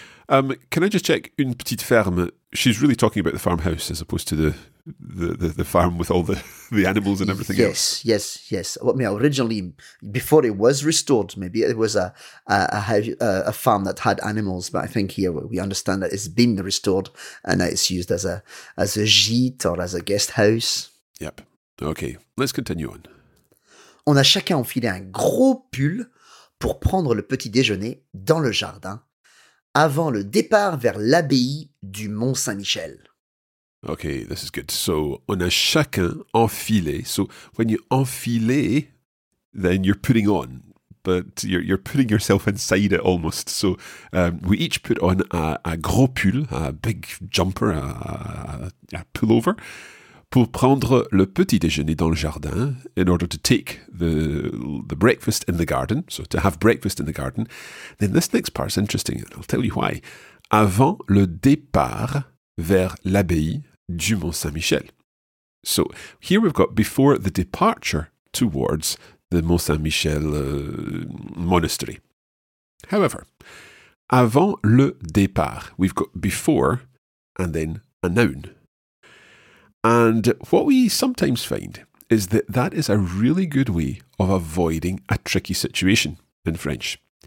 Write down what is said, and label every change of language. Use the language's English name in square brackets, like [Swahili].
[English] Can I just check, [French] une petite ferme, [English] she's really talking about the farmhouse as opposed to the farm with all the animals and everything else. Yes, yes, yes. Well, I mean, originally, before it was restored, maybe it was a farm that had animals, but I think here we understand that it's been restored and that it's used as a gîte or as a guest house. Yep. Okay, let's continue on. [French] On a chacun enfilé un gros pull pour prendre le petit déjeuner dans le jardin avant le départ vers l'abbaye du Mont-Saint-Michel. [English] Okay, this is good. So, [French] on a chacun enfilé. [English] So, when you enfilé, then you're putting on, but you're putting yourself inside it almost. So, we each put on a [French] gros pull, [English] a big jumper, a pullover, [French] pour prendre le petit déjeuner dans le jardin, [English] in order to take the breakfast in the garden, so to have breakfast in the garden. Then this next part is interesting, and I'll tell you why. [French] Avant le départ vers l'abbaye du Mont Saint-Michel. [English] So here we've got before the departure towards the Mont Saint-Michel monastery. However, [French] avant le départ, [English] we've got before and then a noun. And what we sometimes find is that that is a really good way of avoiding a tricky situation in French.